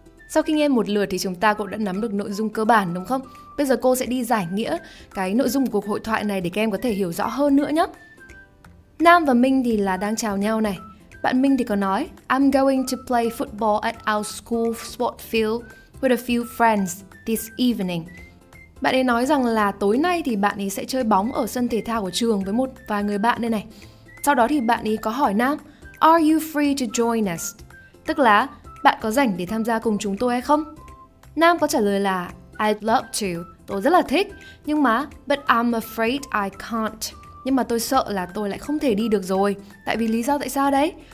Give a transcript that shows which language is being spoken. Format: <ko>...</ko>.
<vi>Sau khi nghe một lượt thì chúng ta cũng đã nắm được nội dung cơ bản đúng không? Bây giờ cô sẽ đi giải nghĩa cái nội dung của cuộc hội thoại này để các em có thể hiểu rõ hơn nữa nhé. Nam và Minh thì là đang chào nhau này. Bạn Minh thì có nói</vi> <en>I'm going to play football at our school sport field with a few friends this evening.</en> <vi>Bạn ấy nói rằng là tối nay thì bạn ấy sẽ chơi bóng ở sân thể thao của trường với một vài người bạn đây này. Sau đó thì bạn ấy có hỏi Nam</vi> <en>Are you free to join us?</en> <vi>Tức là bạn có rảnh để tham gia cùng chúng tôi hay không? Nam có trả lời là I'd love to, tôi rất là thích, nhưng mà</vi> <en>But I'm afraid I can't.</en> <vi>Nhưng mà tôi sợ là tôi lại không thể đi được rồi. Tại vì lý do tại sao đấy?</vi>